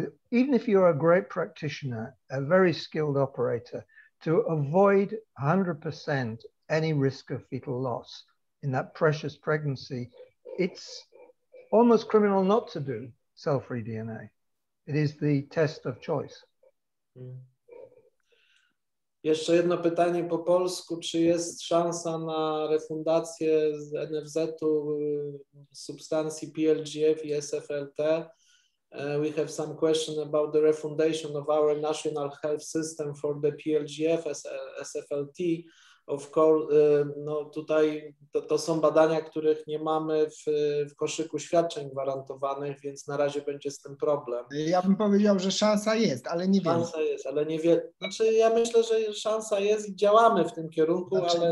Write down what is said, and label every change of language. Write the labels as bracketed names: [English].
[English] Even if you're a great practitioner, a very skilled operator, to avoid 100% any risk of fetal loss in that precious pregnancy, it's almost criminal not to do cell-free DNA. It is the test of choice. [Polish] Jeszcze jedno pytanie po polsku. Czy jest szansa na refundację z NFZ-u substancji PLGF i SFLT? [English] We have some question about the refundation of our national health system for the PLGF, SFLT. Of course, [Polish] no tutaj to są badania, których nie mamy w koszyku świadczeń gwarantowanych, więc na razie będzie z tym problem. Ja bym powiedział, że szansa jest, ale nie wiem. Szansa jest, ale nie wiem. Znaczy ja myślę, że szansa jest i działamy w tym kierunku, znaczy, ale...